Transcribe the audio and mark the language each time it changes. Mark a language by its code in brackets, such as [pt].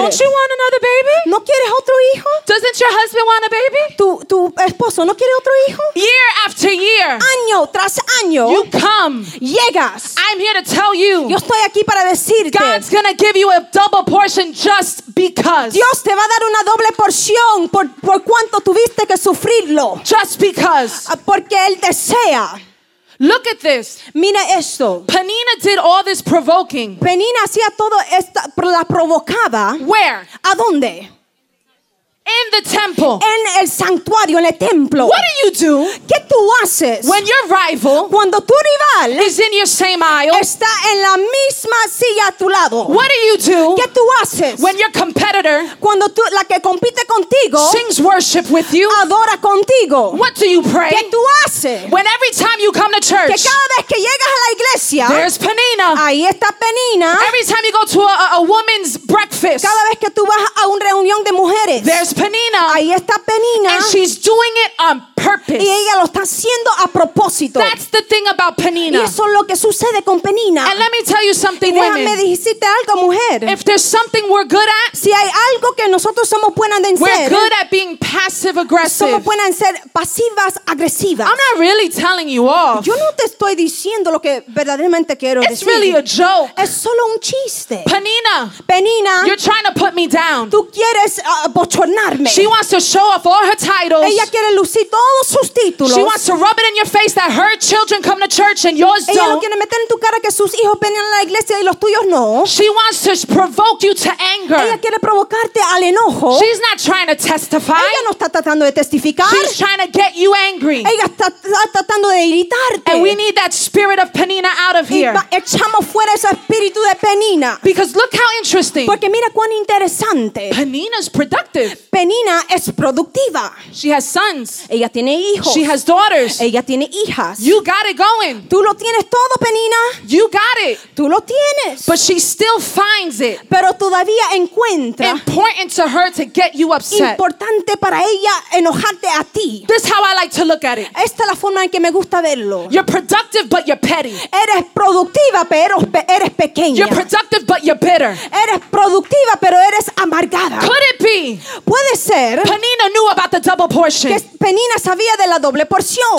[en] Don't you want another baby? [es] ¿No quieres otro hijo? [en] Doesn't your husband want a baby? [es] ¿Tu esposo no quiere otro hijo? [en] Year after year. [es] Año tras año. [en] You come. [es] Llegas. [en] I'm here to tell you. [es] Yo estoy aquí para decirte. [en] God's gonna give you a double portion just because. [es] Dios te va a dar una doble porción por cuanto tuviste que sufrirlo. [en] Just because. [es] Porque él desea. [en] Look at this. [es] Mira esto. [en] Penina did all this provoking. [es] Penina hacía todo esta la provocaba. [en] Where? [es] ¿A dónde? [en] In the temple. [es] En el santuario, en el templo. [en] What do you do? [es] ¿Qué tú haces? [en] When your rival, [es] cuando tu rival [en] is in your same aisle, [es] está en la misma silla a tu lado. [en] What do you do? [es] ¿Qué tú haces? [en] When your competitor, [es] cuando tú la que compite contigo, [en] sings worship with you, [es] adora contigo. [en] What do you pray? [es] ¿Qué tú haces? [en] When every time you come to church, [es] que cada vez que llegas a la iglesia, [en] there's Penina. [es] Ahí está Penina. [en] Every time you go to a woman's breakfast, [es] cada vez que tú vas a una reunión de mujeres, [en] there's Penina. [es] Ahí está Penina. [en] And she's doing it on purpose. [es] Y ella lo está haciendo a propósito. [en] That's the thing about Penina. [es] Y eso es lo que sucede con Penina. [en] And let me tell you something, women. [es] Y déjame decirte algo, mujer. [en] If there's something we're good at, [es] si hay algo que nosotros somos buenas en ser, [en] we're good at being passive aggressive. [es] Somos buenas en ser pasivas agresivas. [en] I'm not really telling you off. [es] Yo no te estoy diciendo lo que verdaderamente quiero decir. [en] It's really a joke. [es] Es solo un chiste. [en] Penina. [es] Penina. [en] You're trying to put me down. [es] Tú quieres bochornarme. [en] She wants to show off all her titles. [es] Ella quiere lucir todos sus títulos. [en] She wants to rub it in your face that her children come to church and yours [es] ella [en] don't. [es] Ella quiere meter en tu cara que sus hijos vienen a la iglesia y los tuyos no. [en] She wants to provoke you to anger. [es] Ella quiere provocarte al enojo. [en] She's not trying to testify. [es] Ella no está tratando de testificar. [en] She's trying to get you angry. [es] Ella está tratando de irritarte. [en] And we need that spirit of Penina out of here. [es] Echamos fuera ese espíritu de Penina. [en] Because look how interesting. [es] Porque mira cuán interesante. [en] Penina's productive. [es] Penina es productiva. [en] She has sons. [es] Ella tiene hijos. [en] She has daughters. [es] Ella tiene hijas. [en] You got it going. [es] Tú lo tienes todo, Penina. [en] You got it. [es] Tú lo tienes. [en] But she still finds it. [es] Pero todavía encuentra. [en] Important to her to get you upset. [es] Importante para ella enojarte a ti. [en] This is how I like to look at it. [es] Esta es la forma en que me gusta verlo. [en] You're productive, but you're petty. [es] Eres productiva, pero eres pequeña. [en] You're productive, but you're bitter. [es] Eres productiva, pero eres amargada. [en] Could it be? [es] Puede ser. [en] Penina knew about the double portion. [es] Que Penina sabía de la doble porción.